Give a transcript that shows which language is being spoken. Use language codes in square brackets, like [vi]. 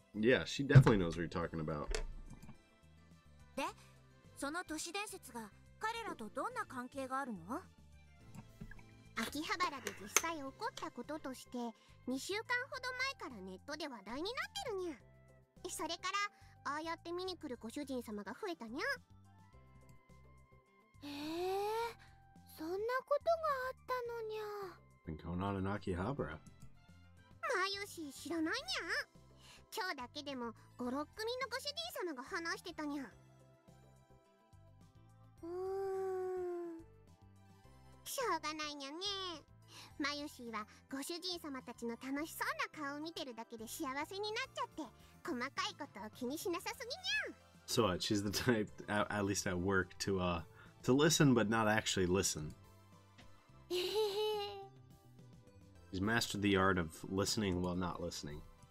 [en] Yeah, she definitely knows what you're talking about. [ja] で、その都市伝説が彼らとどんな関係があるの？秋葉原で実際起こったこととして、2週間ほど前からネットで話題になってるにゃ。それから、ああやって見に来るご主人様が増えたにゃ。へえ、そんなことがあったのにゃ。 [en] Been going on in Akihabara. [ja] マユシ、知らないにゃ。今日だけでも5、6組のご主人様が話してたにゃ。うーん、しょうがないにゃね。マユシーはご主人様たちの楽しそうな顔を見てるだけで幸せになっちゃって細かいことを気にしなさすぎにゃ。 [en] So what? She's the type, at least at work, to listen but not actually listen. She's mastered the art of listening while not listening.